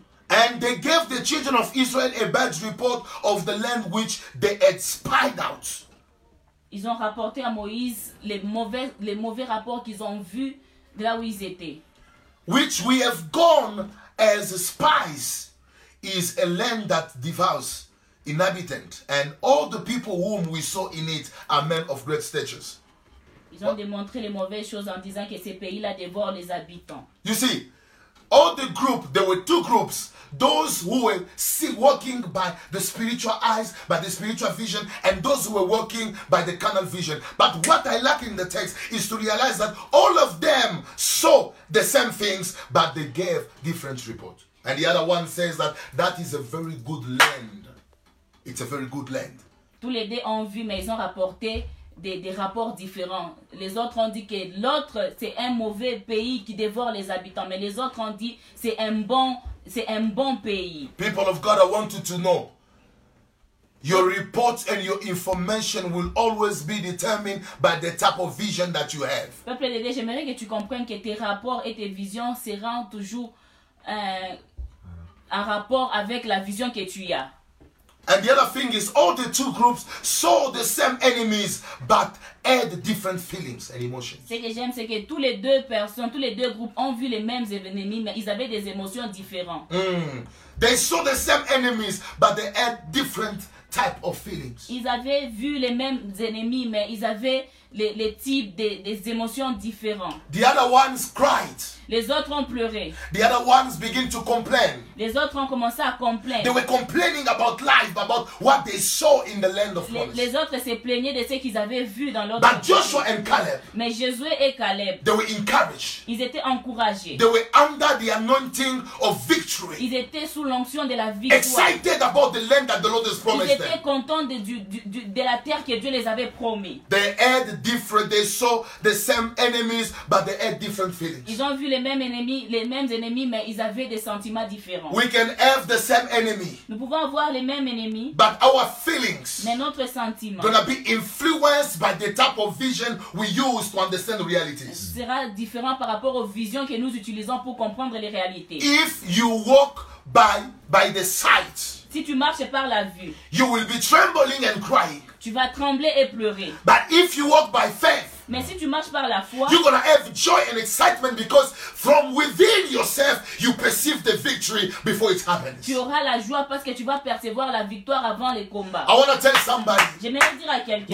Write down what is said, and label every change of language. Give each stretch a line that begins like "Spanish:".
English: And they gave the children of Israel a bad report of the land which they had spied out.
French: Ils ont rapporté à Moïse les mauvais rapports qu'ils ont vus de là où ils étaient.
English: Which we have gone as spies is a land that devours inhabitants, and all the people whom we saw in it are men of great stature.
French: Ils ont démontré les mauvaises choses en disant que ces pays-là dévorent les habitants.
English: You see. All the group, there were two groups. Those who were see, walking by the spiritual eyes, by the spiritual vision, and those who were walking by the carnal vision. But what I lack in the text is to realize that all of them saw the same things, but they gave different reports. And the other one says that that is a very good land. It's a very good land.
French: Tous les deux ont vu, mais ils ont rapporté des rapports différents. Les autres ont dit que l'autre c'est un mauvais pays qui dévore les habitants, mais les autres ont dit c'est un bon pays.
English: People of God, I want you to know your report and your information will always be determined by the type of vision that you have.
French: Peuple de Dieu, j'aimerais que tu comprennes que tes rapports et tes visions seront toujours en rapport avec la vision que tu as.
English: And the other thing is, all the two groups saw the same enemies, but had different feelings and emotions.
French: Ce que j'aime, c'est que tous les deux personnes, tous les deux groupes ont vu les mêmes ennemis, mais ils avaient des émotions différentes.
English: They saw the same enemies, but they had different type of feelings.
French: Ils avaient vu les mêmes ennemis, mais ils avaient les types des émotions différentes.
English: The other ones cried.
French: Les autres ont pleuré.
English: The other ones begin to complain.
French: Les autres ont commencé à complaindre.
English: They were complaining about life, about what they saw in the land of promise.
French: Les autres se plaignaient de ce qu'ils avaient vu dans leur.
English: But Joshua and Caleb.
French: Mais Josué et Caleb.
English: They were encouraged.
French: Ils étaient encouragés.
English: They were under the anointing of victory.
French: Ils étaient sous l'onction de la victoire.
English: Excited about the land that the Lord has promised them.
French: Ils étaient contents de la terre que Dieu les avait promis.
English: They had different. They saw the same enemies, but they had different feelings.
French: Ils ont vu les mêmes ennemis, mais ils avaient des sentiments différents.
English: We can have the same enemy,
French: nous pouvons avoir les mêmes ennemis,
English: but our feelings,
French: mais notre sentiment,
English: gonna be influenced by the type of vision we use to understand realities.
French: Sera différent par rapport aux visions que nous utilisons pour comprendre les réalités.
English: If you walk by the sight,
French: si tu marches par la vue,
English: you will be trembling and crying.
French: Tu vas trembler et pleurer.
English: But if you walk by faith,
French: mais si tu marches par la foi,
English: you're gonna have joy and excitement because from within yourself you perceive the victory before it happens.
French: Tu auras la joie parce que tu vas percevoir la victoire avant les combats.
English: I want to tell somebody.
French: J'aimerais dire à quelqu'un.